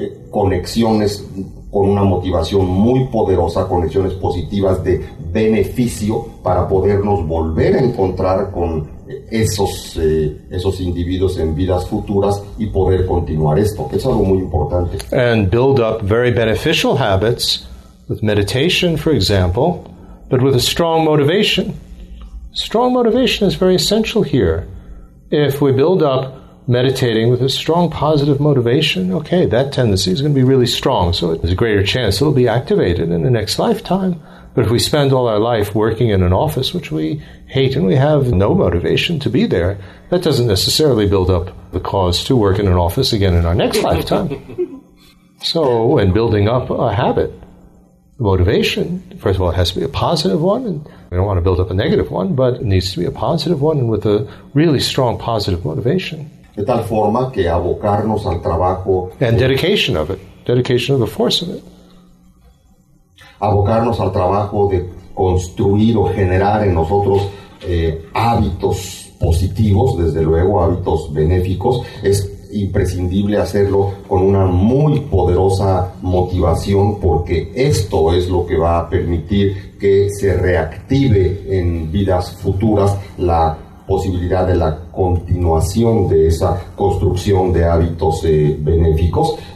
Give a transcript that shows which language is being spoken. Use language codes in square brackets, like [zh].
[es] conexiones con una motivación muy poderosa, conexiones positivas de beneficio para podernos volver a encontrar con esos individuos en vidas futuras y poder continuar esto, que es algo muy importante. [en] And build up very beneficial habits with meditation, for example, but with a strong motivation. Strong motivation is very essential here. If we build up meditating with a strong positive motivation, okay, that tendency is going to be really strong, so there's a greater chance it'll be activated in the next lifetime. But if we spend all our life working in an office which we hate and we have no motivation to be there, that doesn't necessarily build up the cause to work in an office again in our next lifetime. So when building up a habit, motivation, first of all, it has to be a positive one, and we don't want to build up a negative one, but it needs to be a positive one and with a really strong positive motivation. [es] De tal forma que abocarnos al trabajo [en] and dedication of it, dedication of the force of it. [es] Abocarnos al trabajo de construir o generar en nosotros hábitos positivos, desde luego hábitos benéficos, es imprescindible hacerlo con una muy poderosa motivación, porque esto es lo que va a permitir que se reactive en vidas futuras la posibilidad de la continuación de esa construcción de hábitos benéficos.